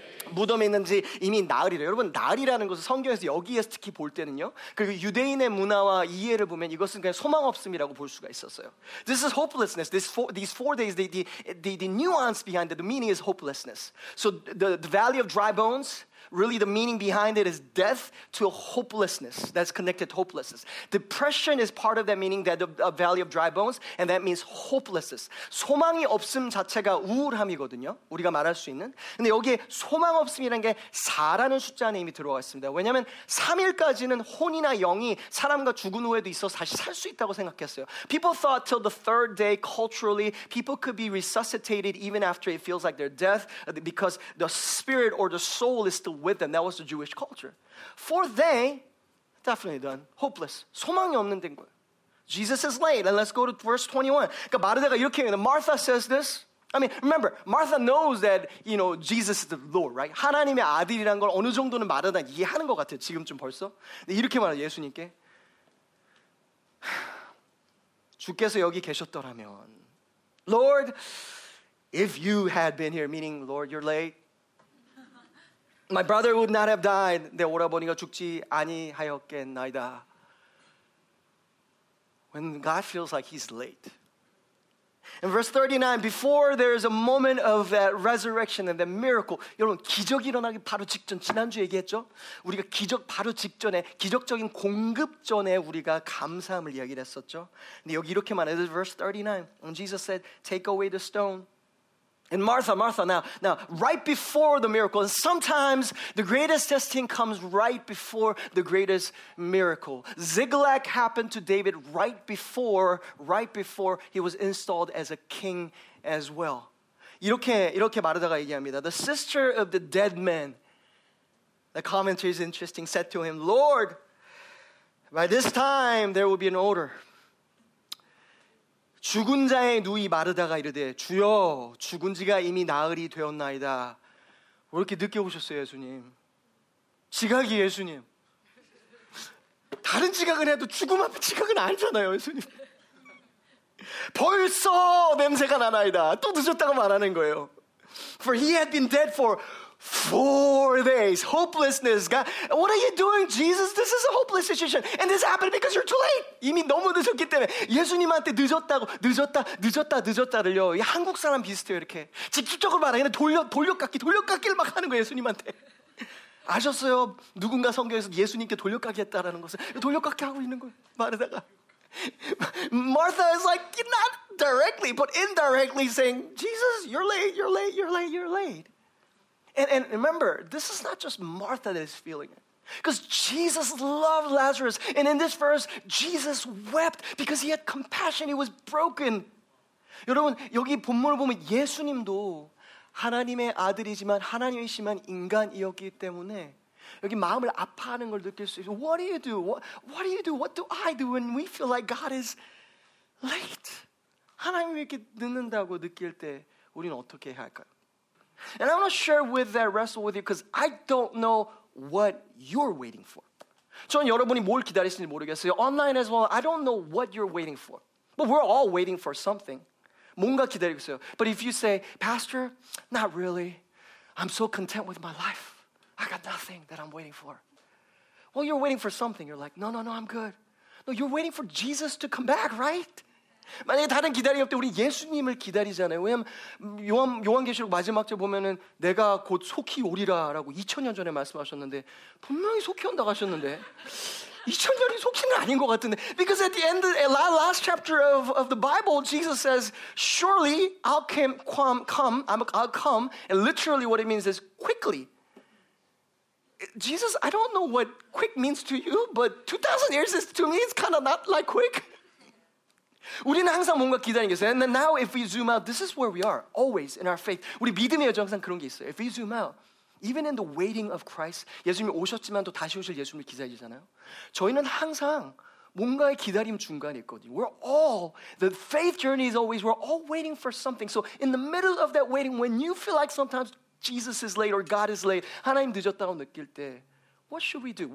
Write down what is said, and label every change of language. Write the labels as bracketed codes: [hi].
[ko] 무덤에 있는지 이미 나흘이래요. 여러분 나흘이라는 것은 성경에서 여기에서 특히 볼 때는요. 그리고 유대인의 문화와 이해를 보면 이것은 그냥 소망 없음이라고 볼 수가 있었어요. [en] This is hopelessness. These four days, the nuance behind it, the meaning is hopelessness. So the valley of dry bones, really the meaning behind it is death to hopelessness. That's connected to hopelessness. Depression is part of that meaning, that the valley of dry bones, and that means hopelessness. [ko] 소망이 없음 자체가 우울함이거든요. 우리가 말할 수 있는. 근데 여기에 소망 없음이라는 게 4라는 숫자 안에 이미 들어와 있습니다. 왜냐하면 3일까지는 혼이나 영이 사람과 죽은 후에도 있어서 다시 살 수 있다고 생각했어요. [en] People thought till the third day, culturally, people could be resuscitated even after it feels like their death because the spirit or the soul is still with them. That was the Jewish culture. For they, definitely done. Hopeless. [ko] 소망이 없는 된 거예요. [en] Jesus is late. And let's go to verse 21. [ko] 그러니까 마르다가 이렇게 얘기하는 [en] Martha says this. I mean, remember, Martha knows that, you know, Jesus is the Lord, right? [ko] 하나님의 아들이란 걸 어느 정도는 마르다 이해하는 것 같아요. 지금쯤 벌써. 이렇게 말해요. 예수님께. 주께서 여기 계셨더라면. [en] Lord, if you had been here, meaning, Lord, you're late. My brother would not have died. [ko] 내 오라버니가 죽지 아니하였겠나이다. [en] When God feels like he's late. In verse 39, before there's a moment of that resurrection and that miracle, [ko] 여러분, 기적이 일어나기 바로 직전, 지난주 얘기했죠? 우리가 기적 바로 직전에, 기적적인 공급 전에 우리가 감사함을 이야기를 했었죠? 근데 여기 이렇게 말해요. [en] Verse 39, when Jesus said, take away the stone. And Martha, now, right before the miracle, and sometimes the greatest testing comes right before the greatest miracle. Ziklag happened to David right before he was installed as a king as well. [ko] 이렇게 마르다가 얘기합니다. [en] The sister of the dead man, the commentary is interesting, said to him, Lord, by this time there will be an odor. [ko] 죽은 자의 누이 마르다가 이르되 주여 죽은 지가 이미 나흘이 되었나이다. 왜 이렇게 늦게 오셨어요 예수님? 지각이 예수님. 다른 지각은 해도 죽음 앞에 지각은 아니잖아요 예수님. 벌써 냄새가 나나이다. 또 늦었다고 말하는 거예요. [en] For he had been dead for 4 days. Hopelessness. God, what are you doing, Jesus? This is a hopeless situation. And this happened because you're too late. [ko] 이미 너무 늦었기 때문에 예수님한테 늦었다고 늦었다 늦었다 늦었다를요. 이 한국 사람 비슷해요 이렇게. 직접적으로 말하니 돌려깎기를 막 하는 거예요 예수님한테. 아셨어요? 누군가 성경에서 예수님께 돌려깎기 했다라는 것을 돌려깎기 하고 있는 거예요 말하다가. [en] Martha is like, not directly, but indirectly saying, Jesus, you're late, you're late, you're late, you're late. And remember, this is not just Martha that is feeling it. Because Jesus loved Lazarus. And in this verse, Jesus wept because he had compassion. He was broken. [ko] 여러분, 여기 본문을 보면 예수님도 하나님의 아들이지만 하나님이시만 인간이었기 때문에 여기 마음을 아파하는 걸 느낄 수 있어요. [en] What do you do? What do you do? What do I do when we feel like God is late? [ko] 하나님이 이렇게 늦는다고 느낄 때 우리는 어떻게 해야 할까요? [en] And I want to share with that wrestle with you because I don't know what you're waiting for. [ko] 저는 여러분이 뭘 기다리시는지 모르겠어요. [en] Online as well, I don't know what you're waiting for. But we're all waiting for something. [ko] 뭔가 기다리고 있어요. [en] But if you say, Pastor, not really. I'm so content with my life. I got nothing that I'm waiting for. Well, you're waiting for something. You're like, no, I'm good. No, you're waiting for Jesus to come back, right? [ko] 만약에 다른 기다림 없대 우리 예수님을 기다리잖아요. 왜냐면 요한계시록 마지막 절 보면은 내가 곧 속히 오리라라고 2000년 전에 말씀하셨는데 분명히 속히 온다고 하셨는데 2000년이 속히는 아닌 것 같은데. [en] Because at the end of the last chapter of the Bible, Jesus says, "Surely I'll come." And literally, what it means is quickly. Jesus, I don't know what quick means to you, but 2,000 years is to me it's kind of not like quick. [ko] 우리는 항상 뭔가 기다리는 게 있어요. [en] And then now if we zoom out, this is where we are, always in our faith. [ko] 우리 믿음의 여정 항상 그런 게 있어요. [en] If we zoom out, even in the waiting of Christ, [ko] 예수님이 오셨지만 또 다시 오실 예수님을 기다리잖아요. 저희는 항상 뭔가의 기다림 중간에 있거든요. [en] We're all, the faith journey is always, we're all waiting for something. So in the middle of that waiting, when you feel like sometimes Jesus is late or God is late, [ko] 하나님 늦었다고 느낄 때, [en] what should we do?